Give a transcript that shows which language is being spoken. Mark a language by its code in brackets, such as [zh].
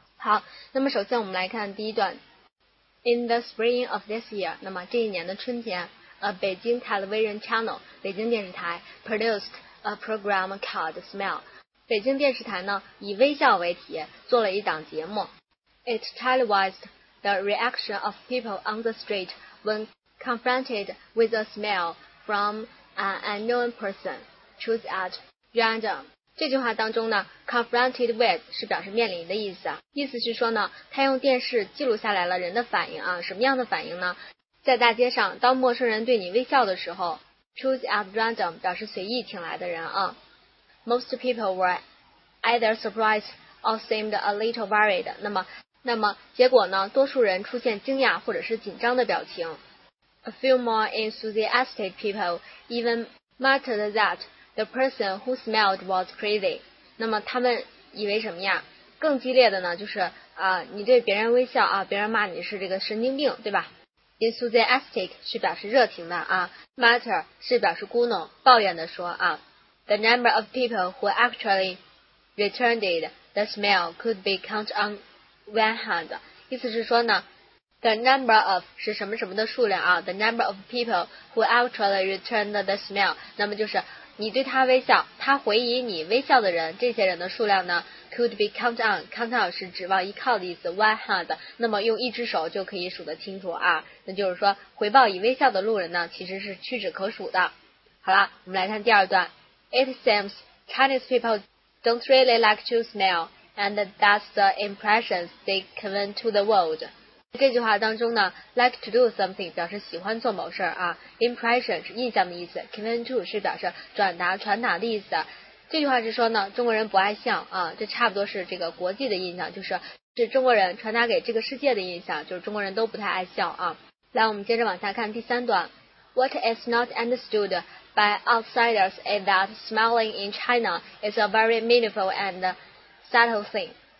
[zh] 好，那么首先我们来看第一段。 [en] In the spring of this year， [zh] 那么这一年的春天， [en] a Beijing television channel， [zh] 北京电视台 [en] produced a program called Smile。 [zh] 北京电视台呢以微笑为题做了一档节目。 [en] It televised the reaction of people on the street when confronted with a smile from an unknown person choose at random。 [zh] 这句话当中呢 [en] confronted with [zh] 是表示面临的意思啊，意思是说呢他用电视记录下来了人的反应啊，什么样的反应呢？在大街上当陌生人对你微笑的时候， [en] choose at random [zh] 表示随意请来的人啊。 [en] Most people were either surprised or seemed a little worried， [zh] 那么结果呢多数人出现惊讶或者是紧张的表情。 [en] A few more enthusiastic people even muttered thatThe person who smiled was crazy。 [zh] 那么他们以为什么呀？更激烈的呢就是你对别人微笑啊，别人骂你是这个神经病，对吧？ Enthusiastic 是表示热情的啊， matter 是表示咕哝抱怨的说啊。 [en] The number of people who actually returned the smile could be count on one hand。 [zh] 意思是说呢， [en] the number of [zh] 是什么什么的数量啊， [en] the number of people who actually returned the smile， [zh] 那么就是你对他微笑，他回以你微笑的人，这些人的数量呢 [en] could be count on， [zh] count on 是指望依靠的意思， [en] one hand， [zh] 那么用一只手就可以数得清楚啊。那就是说回报以微笑的路人呢其实是屈指可数的。好了，我们来看第二段。 [en] It seems Chinese people don't really like to smile and that's the impressions they convey to the world。 [zh] 这句话当中呢 [en] like to do something [zh] 表示喜欢做某事啊， impression 是印象的意思， [en] convey to [zh] 是表示转达传达的意思。这句话是说呢中国人不爱笑啊，这差不多是这个国际的印象，就是是中国人传达给这个世界的印象，就是中国人都不太爱笑啊。来，我们接着往下看第三段。 [en] What is not understood by outsiders is that smiling in China is a very meaningful and subtle thing。